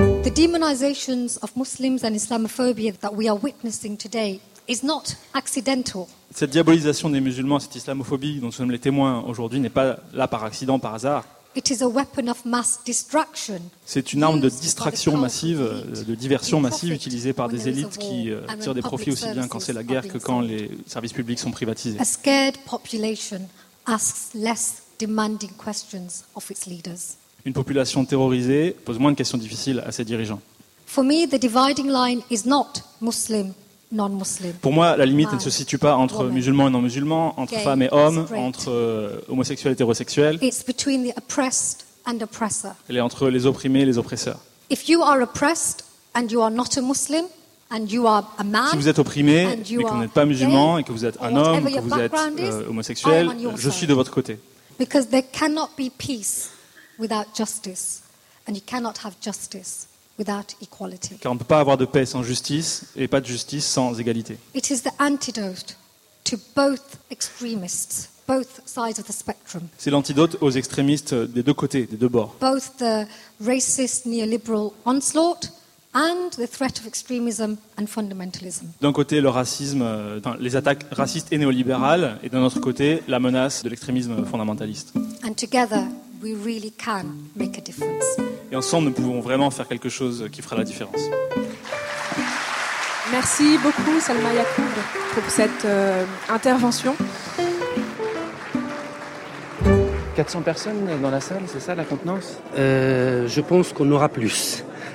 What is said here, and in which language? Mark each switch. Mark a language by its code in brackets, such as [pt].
[en] Demonizations of Muslims and Islamophobia that we are witnessing today is not accidental. [fr] Cette diabolisation des musulmans, cette islamophobie dont nous sommes les témoins aujourd'hui n'est pas là par accident, par hasard. [en] It is a weapon of mass distraction. [fr] C'est une arme de distraction massive, de diversion massive utilisée par des élites qui tirent des profits aussi bien quand c'est la guerre que quand les services publics sont privatisés. [en] A scared population asks less demanding questions of its leaders. [fr] Une population terrorisée pose moins de questions difficiles à ses dirigeants. [en] For me, the dividing line is not Muslim, non-Muslim. [fr] Pour moi, la limite ne se situe pas entre musulmans et non-musulmans, entre femmes et hommes, entre homosexuels et hétérosexuels. [en] It's between the oppressed and oppressor. [fr] Elle est entre les opprimés et les oppresseurs. [en] If you are oppressed and you are not a Muslim, and you are a man, [fr] si vous êtes opprimé mais que vous n'êtes pas musulman et que vous êtes un homme, que vous êtes homosexuel, je suis de votre côté. [en] Because there cannot be peace without justice, and you cannot have justice without equality. [fr] Car on ne peut pas avoir de paix sans justice et pas de justice sans égalité. [en] It is the antidote to both extremists, both sides of the spectrum. [fr] C'est l'antidote aux extrémistes des deux côtés, des deux bords. [en] Both the racist neoliberal onslaught and the threat of extremism and fundamentalism. [fr] D'un côté le racisme, les attaques racistes et néolibérales, et d'un autre côté la menace de l'extrémisme fondamentaliste. [en] And together, we really can make a difference. [fr] Et ensemble, nous pouvons vraiment faire quelque chose qui fera la différence. Merci beaucoup, Salma Yacoub, pour cette intervention. 400 personnes dans la salle, c'est ça la contenance ? Je pense qu'on aura plus.